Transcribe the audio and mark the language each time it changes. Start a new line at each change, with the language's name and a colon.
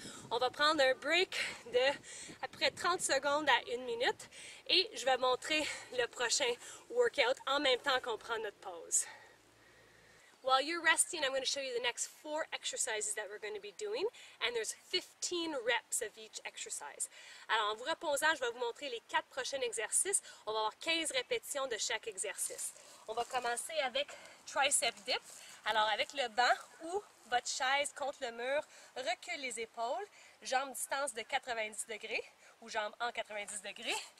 French: On va prendre un break de après 30 secondes à 1 minute et je vais montrer le prochain workout en même temps qu'on prend notre pause.
English: While you're resting, I'm going to show you the next 4 exercises that we're going to be doing, and there's 15 reps of each exercise.
French: Alors, en vous reposant, je vais vous montrer les 4 prochains exercices. On va avoir 15 répétitions de chaque exercice. On va commencer avec tricep dip. Alors, avec le banc ou votre chaise contre le mur, recule les épaules, jambes distance de 90 degrés ou jambes en 90 degrés.